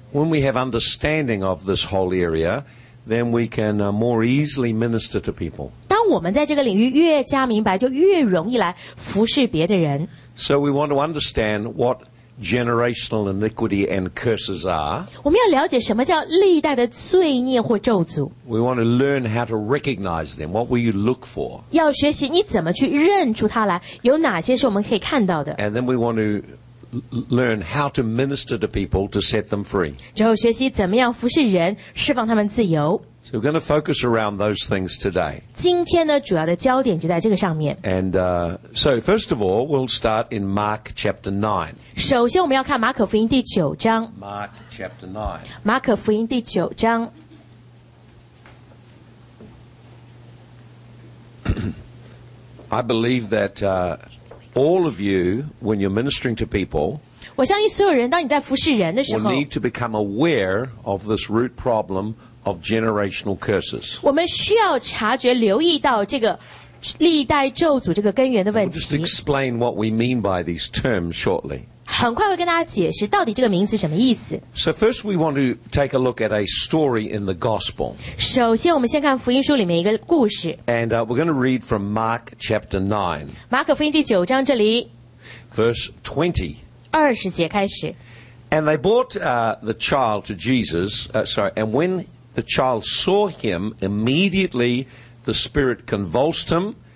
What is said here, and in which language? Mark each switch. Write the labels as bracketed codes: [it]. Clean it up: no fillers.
[en] When we have understanding of this whole area, then we can more easily minister to people. [zh] 当我们在这个领域越加明白，就越容易来服侍别的人。 [en] So we want to understand what generational iniquity and curses are. [zh] 我们要了解什么叫历代的罪孽或咒诅。 [en] We want to learn how to recognize them. What will you look for? [zh] 要学习你怎么去认出它来，有哪些是我们可以看到的。 [en] And then we want to learn how to minister to people to set them free. [zh] 之后学习怎么样服侍人，释放他们自由。 [en] So we're going to focus around those things today. [zh] 今天呢，主要的焦点就在这个上面。 [en] And so first of all, we'll start in Mark chapter 9. [zh] 首先我们要看马可福音第九章。 [en] Mark chapter 9. [zh] 马可福音第九章。 [en] I believe that all of you, when you're ministering to people, [zh] 我相信所有人，当你在服侍人的时候， [en] will need to become aware of this root problem of generational curses. [zh] 我们需要察觉留意到这个历代咒诅这个根源的问题。 [en] We'll just explain what we mean by these terms shortly. [zh] 很快会跟大家解释到底这个名词什么意思。 [en] So first we want to take a look at a story in the gospel. [zh] 首先我们先看福音书里面一个故事。 [en] And we're going to read from Mark chapter 9. [zh] 马可福音第九章这里。 [en] Verse 20. [zh] 20节开始。 [en] And they brought the child to Jesus, and when the child saw him, immediately the spirit convulsed him.